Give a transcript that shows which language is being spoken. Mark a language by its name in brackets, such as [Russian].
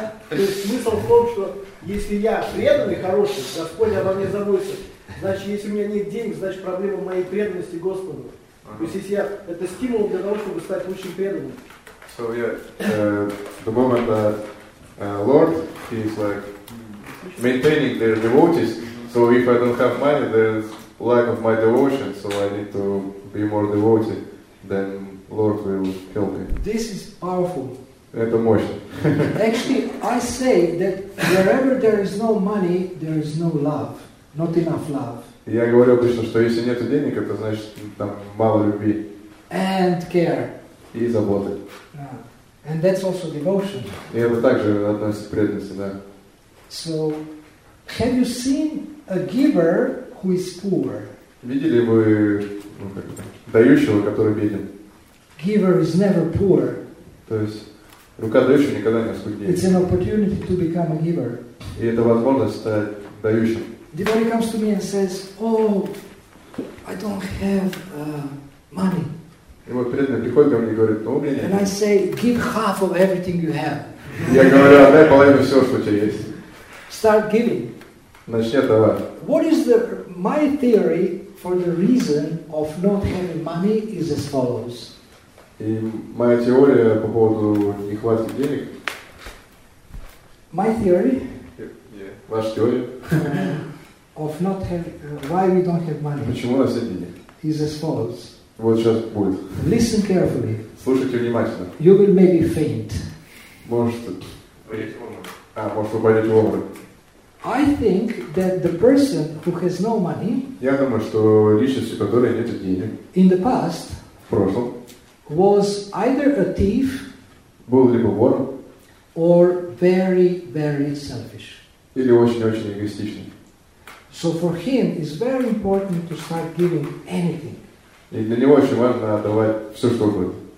[Russian] То есть смысл в том, что если я преданный, хороший, Господь обо мне заботится, значит, если у меня нет денег, значит, проблема в моей преданности Господу. То есть если я, это стимул для того, чтобы стать лучшим преданным. [English] So, yeah, the moment that Lord, he's like maintaining their devotees, so if I don't have money, there's lack of my devotion, so I need to be more devoted, then Lord will help me. This is powerful. [Russian] Это мощно. [English] Actually, I say that wherever there is no money, there is no love. Not enough love. [Russian] Я говорю обычно, что если нет денег, это значит там мало любви. [English] And care. [Russian] И заботы. [English] And that's also devotion. [Russian] И это также относится к преданности, да. [English] So, have you seen a giver who is poor? [Russian] Видели вы дающего, который беден? [English] Giver is never poor. [Russian] То есть рука дающего никогда не оскуднеет. [English] It's an opportunity to become a giver. [Russian] И это возможность стать дающим. [English] Devotee comes to me and says, "Oh, I don't have money." [Russian] И вот преданный приходит ко мне и говорит: "Ну, у меня нет." [English] And I say, "Give half of everything you have." [Russian] Я говорю: "Отдай половину всего, что у тебя есть." [English] Start giving. [Russian] Начни отдавать. [English] What is my theory for the reason of not having money is as follows. [Russian] И моя теория по поводу нехватки денег. [English] My theory. [Russian] Yeah. Ваша теория. [English] Of not having, why we don't have money. [Russian] Почему у нас нет денег? [English] Is as follows. [Russian] Вот сейчас будет. [English] Listen carefully. [Russian] Слушайте внимательно. [English] You will maybe faint. [Russian] Может. Упадете в обморок. Может упадете в обморок. [English] I think that the person who has no money. [Russian] Я думаю, что личность, у которой нет денег. [English] In the past. [Russian] В прошлом. [English] Was either a thief, [Russian] был либо вор, [English] or very, very selfish. [Russian] Или очень-очень эгоистичный. [English] So for him it's very important to start giving anything. [Russian] И для него очень важно отдавать все, что угодно.